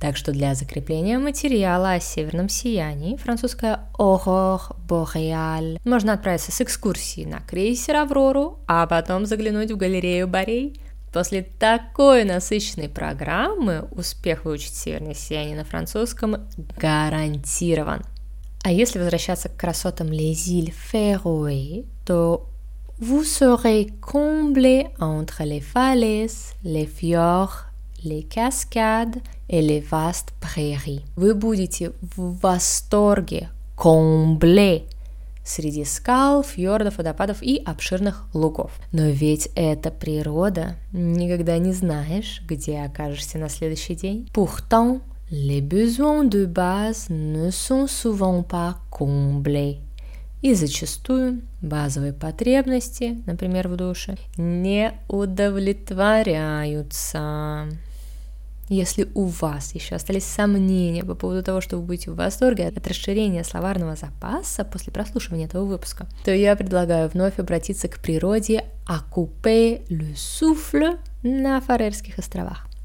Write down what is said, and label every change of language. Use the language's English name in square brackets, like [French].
[Russian] Так что для закрепления материала о северном сиянии, французское [French] «Aurore Boreale», [Russian] можно отправиться с экскурсии на крейсер «Аврору», а потом заглянуть в галерею Борей. После такой насыщенной программы успех выучить северное сияние на французском гарантирован. А если возвращаться к красотам [French] Les Îles Féroé, [Russian] то [French] vous serez comblé entre les falaises, les fjords, les cascades et les vastes prairies. [Russian] Вы будете в восторге, comblé, среди скал, фьордов, водопадов и обширных лугов. Но ведь это природа. Никогда не знаешь, где окажешься на следующий день. [French] Pourtant, les besoins de base ne sont souvent pas comblés. [Russian] И зачастую базовые потребности, например, в душе, не удовлетворяются. Если у вас еще остались сомнения по поводу того, что вы будете в восторге от расширения словарного запаса после прослушивания этого выпуска, то я предлагаю вновь обратиться к природе [French] «Occuper le souffle» [Russian] на Фарерских островах.